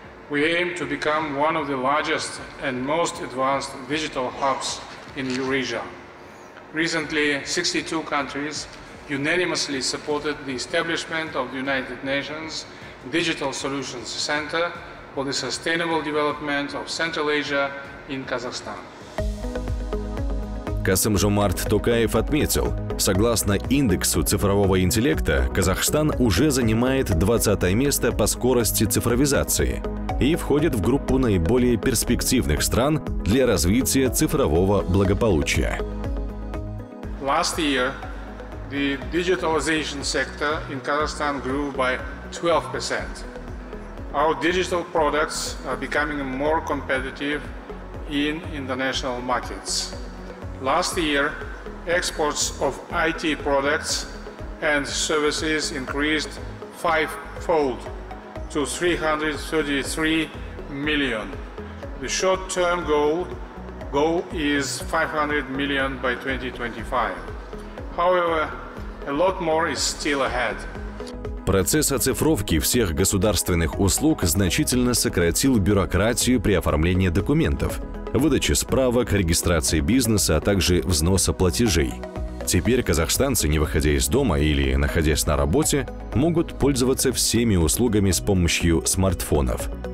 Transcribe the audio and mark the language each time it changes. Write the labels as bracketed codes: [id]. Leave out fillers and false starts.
[en] We aim to become one of the largest and most advanced digital hubs in Eurasia. Recently, 62 countries unanimously supported the establishment of the United Nations Digital Solutions Center for the Sustainable Development of Central Asia in Kazakhstan. [ru] Касым-Жомарт Токаев отметил, согласно индексу цифрового интеллекта, Казахстан уже занимает 20-е место по скорости цифровизации и входит в группу наиболее перспективных стран для развития цифрового благополучия. [en] Last year, the digitalization sector in Kazakhstan grew by 12%. Our digital products are becoming more competitive in international markets. Last year, exports of IT products and services increased fivefold to 333 million. The short-term goal is 500 million by 2025. However, a lot more is still ahead. [ru] Процесс оцифровки всех государственных услуг значительно сократил бюрократию при оформлении документов, выдаче справок, регистрации бизнеса, а также взноса платежей. Теперь казахстанцы, не выходя из дома или находясь на работе, могут пользоваться всеми услугами с помощью смартфонов.